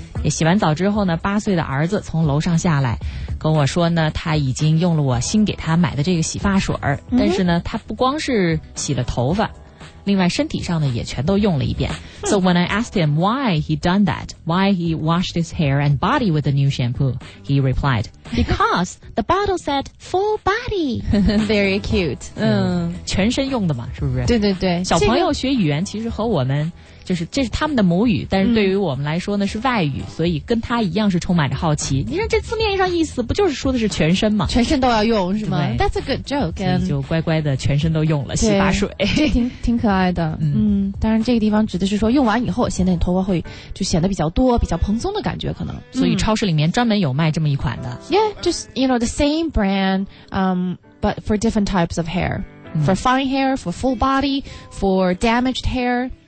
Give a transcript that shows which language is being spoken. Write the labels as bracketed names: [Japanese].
[Chinese] 洗完澡之后呢，八岁的儿子从楼上下来，跟我说呢，他已经用了我新给他买的这个洗发水，但是呢，他不光是洗了头发，另外身体上呢也全都用了一遍。 [English] So when I asked him why he done that, why he washed his hair and body with the new shampoo, he replied, because the bottle said full body. Very cute. [Chinese] 全身用的嘛，是不是？对对对。小朋友学语言其实和我们就是这是他们的母语，但是对于我们来说呢是外语，所以跟他一样是充满着好奇。你看这字面上意思不就是说的是全身吗？全身都要用是吗？ [English] That's a good joke. [Chinese] 所以就乖乖的全身都用了，洗发水，这挺可爱的。当然这个地方指的是说用完以后显得你头发会就显得比较多，比较蓬松的感觉可能。所以超市里面专门有卖这么一款的。 [English] Yeah, just you know the same brand, but for different types of hair, for fine hair, for full body, for damaged hair.